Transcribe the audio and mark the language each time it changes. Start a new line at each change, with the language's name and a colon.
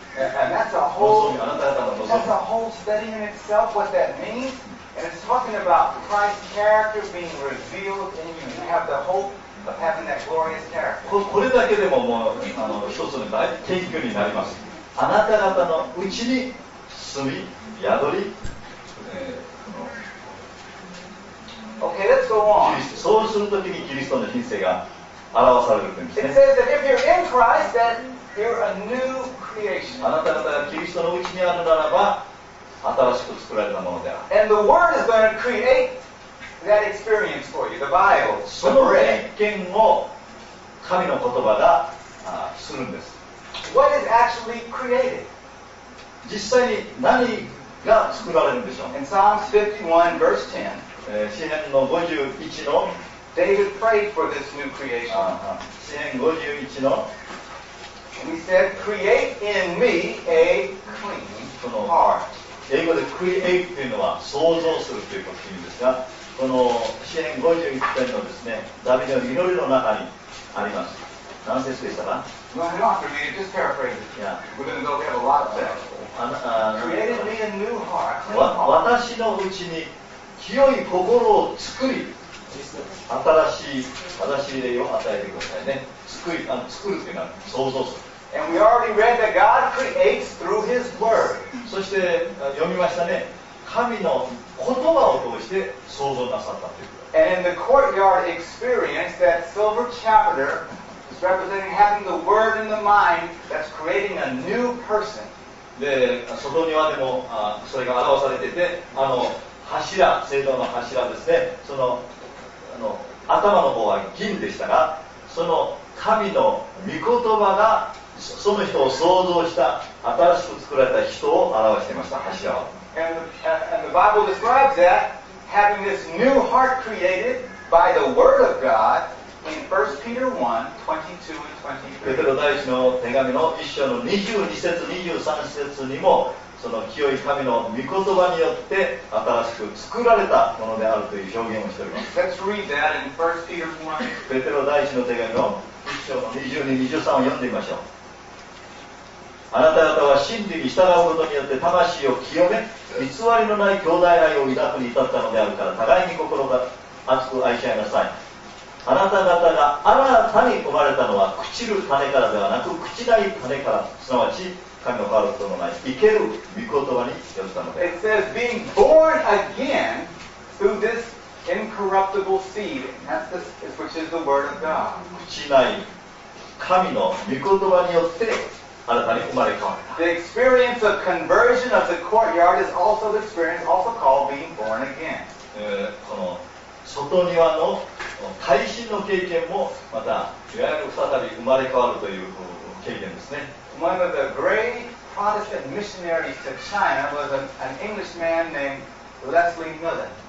English: And that's a whole, that's a whole study in itself, what that means. And it's talking about Christ's character being revealed in you. You have the hope of having that glorious character.
Japanese: これだけでももう一つの大研究になります。あなた方のうちに住み、宿り、
English: Okay, let's go on.
Japanese: そうするときにキリストの品性が表されるんですね。
English: It says that if you're in Christ, then you're a new creation.
Japanese: あなた方がキリストのうちにあるならば新しく作られたものである。
English: And the word is going to create that experience for you, the Bible.
Japanese: その経験を神の言葉がするんです。
English: What is actually created?
Japanese: 実際に何が作られるんでしょう。
English: In Psalms 51, verse 10,
Japanese: 詩編の51の
English: David prayed for this new creation.
Japanese: 詩編51の
English: And he said, create in me a clean heart.
Japanese: 英語で create というのは創造するということを言うんですが、この詩編51編のですね、ダビデの祈りの中にあります。何節でしたか。
English: Well, I don't have to read it, just paraphrase it. We're going to go, we have a lot of text. Created me a new heart, a new heart.
Japanese: 私のうちに清い心を作り、新しい霊を与えてくださいね。作るというのは創造する。
English: And we already read that God creates through His Word.
Japanese: そして読みましたね。神の言葉を通して創造なさったということ。
English: And in the courtyard experience, that silver chapter. Representing having the word in the mind that's creating a new person.
Japanese: で、外庭でもそれが表されていて、柱、聖堂の柱ですね。その頭の方は銀でしたが、その神の御言葉がその人を創造した、新しく作られた人を表していました、柱は。
English: And the Bible describes that having this new heart created by the word of God. In 1 Peter 1:22-23,
Japanese: にもその清い神の御言葉によって新しく作られたものであるという表現をしております。
English: Let's read that in 1 Peter 1.
Japanese: ペテロ第一の手紙の1章の22-23を読んでみましょう。あなた方は真理に従うことによって魂を清め、偽りのない兄弟愛を抱くに至ったのであるから、互いに心が熱く愛し合いなさい。あなた方が新たに生まれたのは朽ちる種からではなく朽ちない種から、すなわち神の変わることのない生ける御言葉によったので。
English: It says being born again through this incorruptible seed, that's which is the word of God.
Japanese: 朽ちない神の御言葉によって新たに生まれ変わった。
English: The experience of conversion of the courtyard is also the experience also called being born again.
Japanese: この外庭の耐震の経験もまたいわゆる再び生まれ変わるという経験ですね。
English: One of the great Protestant missionaries to China was an English man named Leslie Miller.